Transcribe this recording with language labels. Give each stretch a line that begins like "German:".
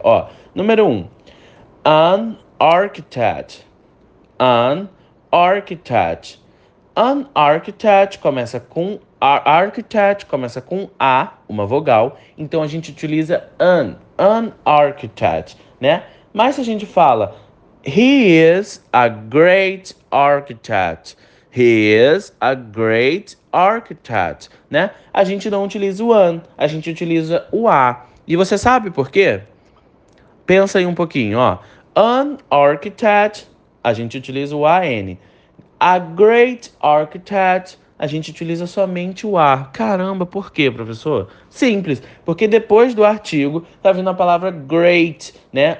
Portuguese: Ó, número 1.
English: An architect. An architect. An architect
Portuguese: começa com architect, começa com A, uma vogal, então a gente utiliza
English: an architect,
Portuguese: né? Mas se a gente fala
English: he is a great architect. He is a great architect, né?
Portuguese: A gente não utiliza o an, a gente utiliza o A. E você sabe por quê? Pensa aí um pouquinho, ó.
English: An architect,
Portuguese: a gente utiliza o AN.
English: A great architect,
Portuguese: a gente utiliza somente o A. Caramba, por quê, professor? Simples, porque depois do artigo tá vindo a palavra great, né?